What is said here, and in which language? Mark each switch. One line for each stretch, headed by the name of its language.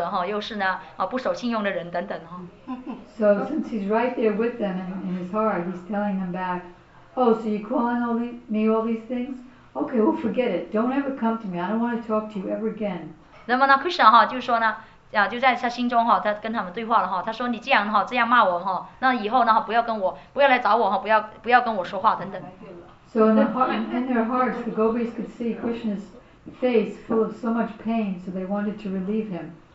Chinese: 很那个很不安了哈，因为呢，他们在骂他哈，就说呢，说他既是谋杀者哈，又是呢，不守信用的人等等哈。
English: So since he's right there with them in his heart, he's telling them back, oh, so you calling all me all these things? Okay, well, forget it. Don't ever come to me. I don't want to talk to you ever again.
Chinese: 那么呢 ，Krishna 哈就说呢，就在他心中哈，他跟他们对话了哈，他说你这样哈这样骂我哈，那以后呢不要跟我说话等等。
English: So in their hearts, the gopis could see Krishna's face full of so much pain, so they wanted to relieve him.